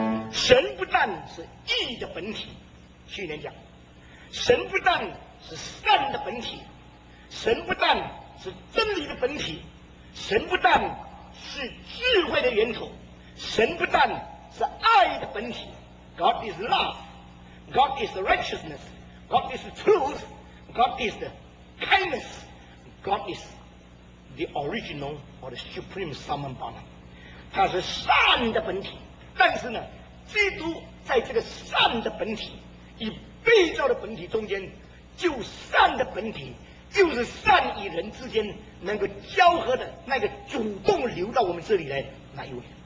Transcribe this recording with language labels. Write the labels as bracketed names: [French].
[Chinese] 神不但是义的本体，去年讲，神不但是善的本体，神不但是真理的本体，神不但是智慧的源头，神不但是爱的本体。 [English] God is love, God is righteousness, God is truth, God is the kindness, God is the original or the supreme summon banner。 [Chinese] 它是善的本体，但是呢，基督在这个善的本体与被造的本体中间，就善的本体，就是善与人之间能够交合的那个主动流到我们这里来，哪一位？